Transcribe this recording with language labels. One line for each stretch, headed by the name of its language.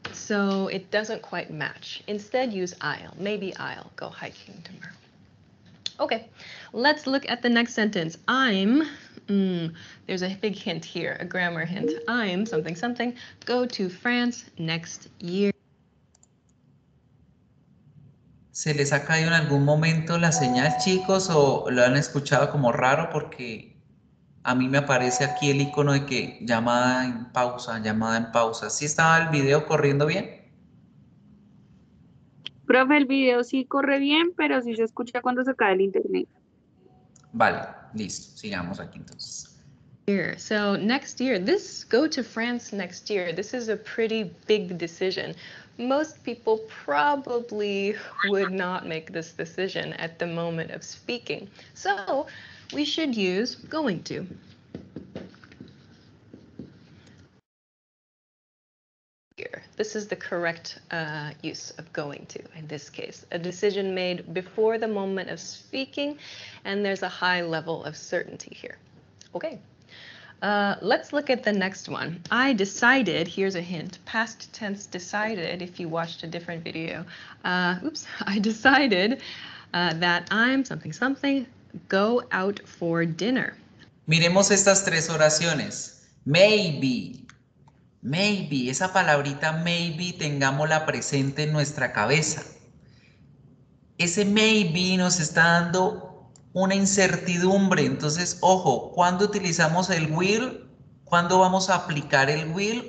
English: So it doesn't quite match. Instead, use I'll. Maybe I'll go hiking tomorrow. Okay, let's look at the next sentence. There's a big hint here, a grammar hint. I'm something something, go to France next year.
Spanish: ¿Se les ha caído en algún momento la señal, chicos, o lo han escuchado como raro? Porque a mí me aparece aquí el icono de que llamada en pausa, llamada en pausa. ¿Sí estaba el video corriendo bien? Profe, el video sí corre bien, pero sí se escucha cuando se cae el internet. Vale, listo. Sigamos aquí entonces.
English: Year. So next year, this go to France next year, this is a pretty big decision. Most people probably would not make this decision at the moment of speaking. So we should use going to. This is the correct use of going to in this case. A decision made before the moment of speaking, and there's a high level of certainty here. Okay. Let's look at the next one. I decided, here's a hint, past tense decided, if you watched a different video. I decided that I'm something something, go out for dinner.
Spanish: Miremos estas tres oraciones. Maybe, maybe, esa palabrita maybe tengámosla presente en nuestra cabeza. Ese maybe nos está dando una incertidumbre. Entonces, ojo, ¿cuándo utilizamos el will? ¿Cuándo vamos a aplicar el will?